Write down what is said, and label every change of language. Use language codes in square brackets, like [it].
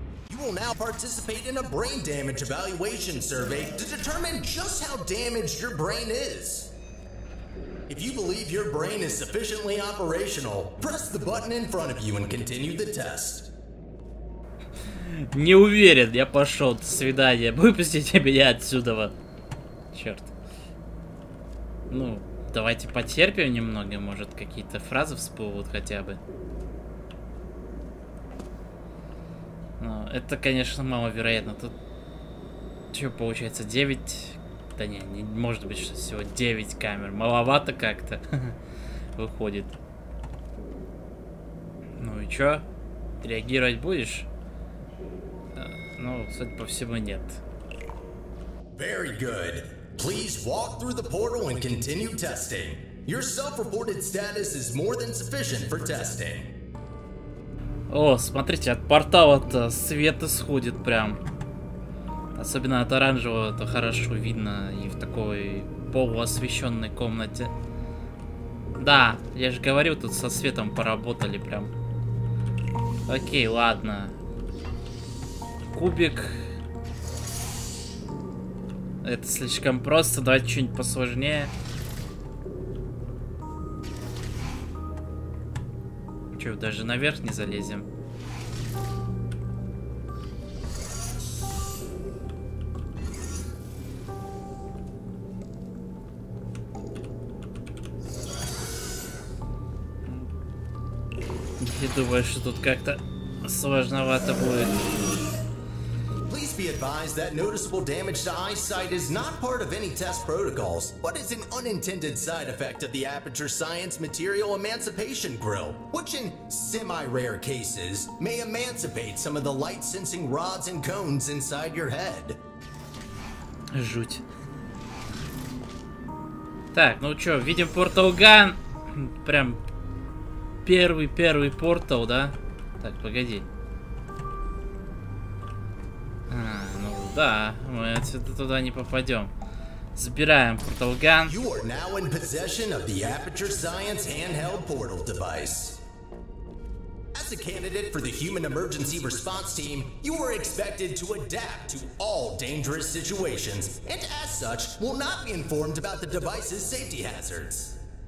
[en] You will now participate in a brain damage evaluation survey to determine just how damaged your brain is. If you believe your brain is sufficiently operational, press the button in front of you and continue the test. [ru] Не уверен, я пошел, до свидания, выпустите меня отсюда. Черт. Ну, давайте потерпим немного, может какие-то фразы всплывут хотя бы. Но это, конечно, маловероятно. Тут что получается, 9? Да не, не может быть, что всего 9 камер. Маловато как-то выходит. Ну и чё? Реагировать будешь? Ну, судя по всему, нет. [en] Very good. Please walk through the portal and continue testing. Your self-reported status is more than sufficient for testing. [ru] О, смотрите, от портала-то свет исходит прям. Особенно от оранжевого-то хорошо видно и в такой полуосвещенной комнате. Да, я же говорил, тут со светом поработали прям. Окей, ладно. Кубик. Это слишком просто. Давайте что-нибудь посложнее. Че, даже наверх не залезем? Я думаю, что тут как-то сложновато будет. [en] Be advised that noticeable damage to eyesight is not part of any test protocols, but is an unintended side effect of the Aperture Science Material Emancipation Grill, which in semi-rare cases may emancipate some of the light-sensing rods and cones inside your head. [ru] Жуть. Так, ну чё, видим портал Ган? Прям первый портал, да? Так, погоди. Да, мы отсюда туда не попадем. Забираем портал ган. [en] You are now in possession of the Aperture Science handheld portal device. As a candidate for the human emergency response team, you are expected to adapt to all dangerous situations, and as such, will not be informed about the device's safety hazards.